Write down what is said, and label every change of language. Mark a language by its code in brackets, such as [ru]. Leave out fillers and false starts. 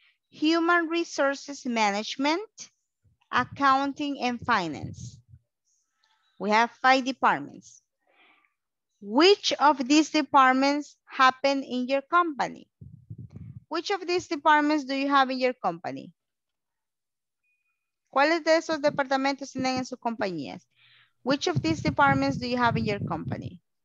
[en] Human resources management, accounting and finance. We have five departments. Which of these departments happen in your company? Which of these departments do you have in your company? [es] ¿Cuáles de esos departamentos tienen en sus compañías? [en] Which of these departments do you have in your company?